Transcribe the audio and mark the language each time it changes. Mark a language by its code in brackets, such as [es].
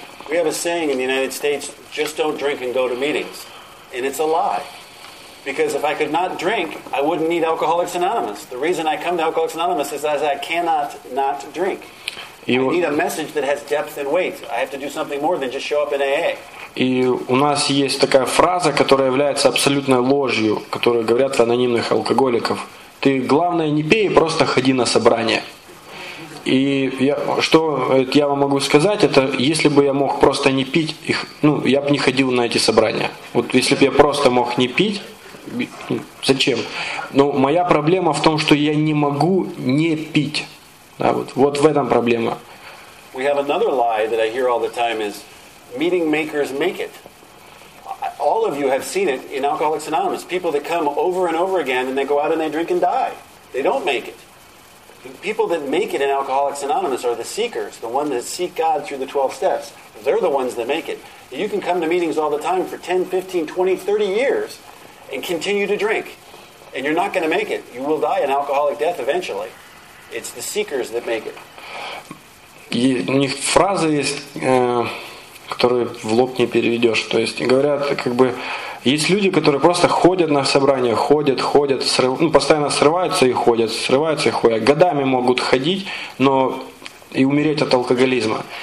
[en] We have a saying in the United States, just don't drink and go to meetings. And it's a lie. Because if I could not drink, I wouldn't need Alcoholics Anonymous. The reason I come to Alcoholics Anonymous is that I cannot not drink. I need a message that has depth and weight. I have to do something more than just show up in AA. [ru] И у нас есть такая фраза, которая является абсолютной ложью, которую говорят в анонимных алкоголиков. Ты главное не пей, просто ходи на собрание. И я, что я вам могу сказать, это если бы я мог просто не пить, их, ну, я бы не ходил на эти собрания. Вот если бы я просто мог не пить, зачем? Но моя проблема в том, что я не могу не пить. Да, вот в этом проблема. [en] We have another lie that I hear all the time is meeting makers make it. All of you have seen it in Alcoholics Anonymous. People that come over and over again and they go out and they drink and die. They don't make it. People that make it in Alcoholics Anonymous are the seekers, the ones that seek God through the 12 steps. They're the ones that make it. You can come to meetings all the time for 10, 15, 20, 30 years and continue to drink. And you're not going to make it. You will die an alcoholic death eventually. It's the seekers that make it. [ru] У них фраза есть, которую в лоб не переведешь. То есть говорят, как бы, есть люди, которые просто ходят на собрания, ходят, постоянно срываются и ходят. Годами могут ходить, но и умереть от алкоголизма.